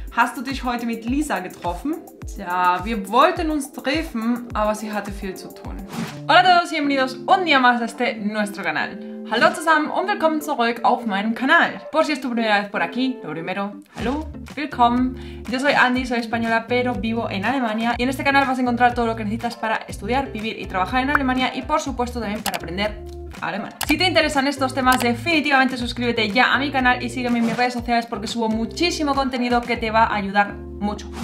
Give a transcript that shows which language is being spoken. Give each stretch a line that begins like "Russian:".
German: Hast du dich heute mit Lisa getroffen? Tja, wir wollten uns treffen, aber sie hatte viel zu tun.
Spanish: Hola a todos, bienvenidos un día más a este nuestro canal.
German: Hallo zusammen und willkommen zurück auf meinem Kanal.
Spanish: Por si es tu primera vez por aquí, lo primero,
German: hallo, willkommen.
Spanish: Yo soy Andy, soy española, pero vivo en Alemania. Y en este canal vas a encontrar todo lo que necesitas para estudiar, vivir y trabajar en Alemania y por supuesto también para aprender alemán. Si te interesan estos temas, definitivamente suscríbete ya a mi canal y sígueme en mis redes sociales porque subo muchísimo contenido que te va a ayudar mucho.